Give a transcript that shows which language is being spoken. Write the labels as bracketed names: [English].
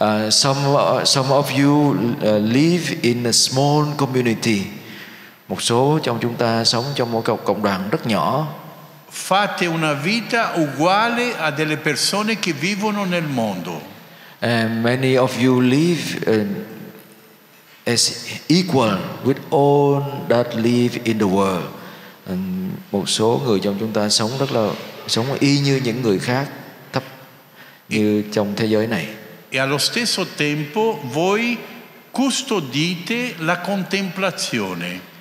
[English] Some of you live in a small community. [Vietnamese] Một số trong chúng ta sống trong một cộng đoàn rất nhỏ. [Italian] Fate una vita uguale a delle persone che vivono nel mondo. [English] Many of you live as equal with all that live in the world. [Vietnamese] Một số người trong chúng ta sống rất là sống y như những người khác thấp như trong thế giới này. [Italian] E allo stesso tempo voi custodite la contemplazione.